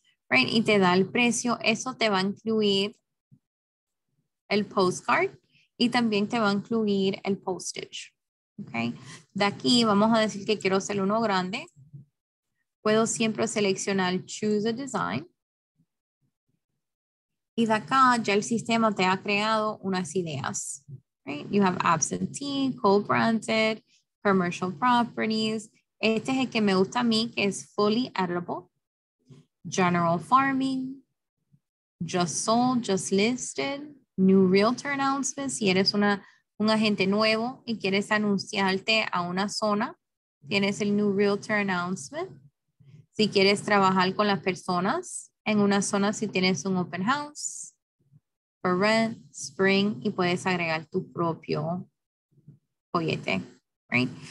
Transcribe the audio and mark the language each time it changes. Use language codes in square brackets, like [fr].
[es] Right, y te da el precio, eso te va a incluir el postcard y también te va a incluir el postage. Okay. De aquí vamos a decir que quiero hacer uno grande. Puedo siempre seleccionar Choose a Design Y de acá ya el sistema te ha creado unas ideas. Right? [en] You have absentee, co-branded, commercial properties. [es] Este es el que me gusta a mí, que es fully edible. [en] General farming, just sold, just listed, new realtor announcements. [es] Si eres un agente nuevo y quieres anunciarte a una zona, tienes el new realtor announcement. Si quieres trabajar con las personas en una zona, si tienes un open house, for rent, spring, y puedes agregar tu propio follete. Right?